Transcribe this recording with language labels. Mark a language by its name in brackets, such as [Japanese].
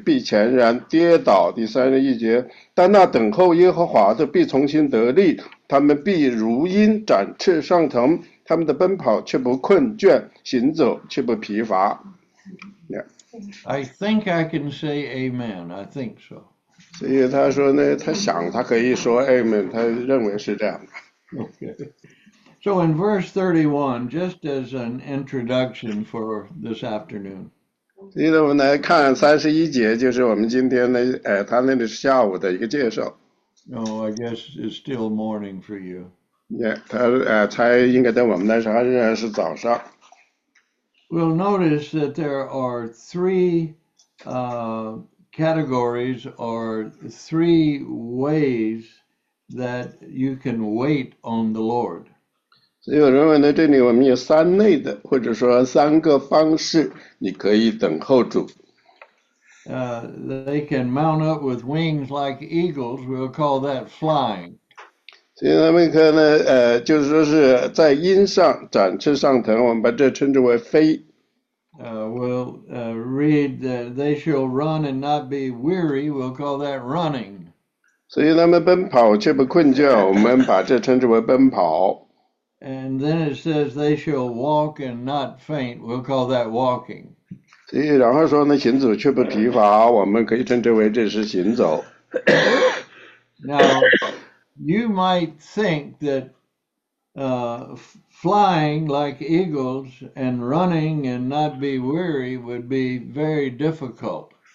[Chinese] 必全然跌倒。第31节，但那等候耶和华的必重新得力，他们必如鹰展翅上腾，他们的奔跑却不困倦，行走却不疲乏。 [English] Yeah. I think I can say amen. I think so. [Chinese] 所以他说呢，他想他可以说 amen， 他认为是这样。 [English] Okay. So in verse 31, just as an introduction for this afternoon. [Chinese] 所以我们来看31节，就是我们今天的他那里是下午的一个介绍。 [English] Oh, I guess it's still morning for you. [Chinese] Yeah, 他才应该在我们那时候仍然是早上。 [English] We'll notice that there are three categories or three ways that you can wait on the Lord. [Chinese] 所以我认为呢，这里我们有三类的，或者说三个方式，你可以等候主。 [English] They can mount up with wings like eagles. We'll call that flying. [Chinese] 所以他们可能就是说是在鹰上展翅上腾，我们把这称之为飞。 [English] we'll read that they shall run and not be weary. We'll call that running. [Chinese] 所以他们奔跑却不困倦，我们把这称之为奔跑。 [English] And then it says they shall walk and not faint. We'll call that walking. [Chinese] 所以然后说呢，行走却不疲乏，我们可以称之为这是行走。 [English] Now, you might think that flying like eagles and running and not be weary would be very difficult.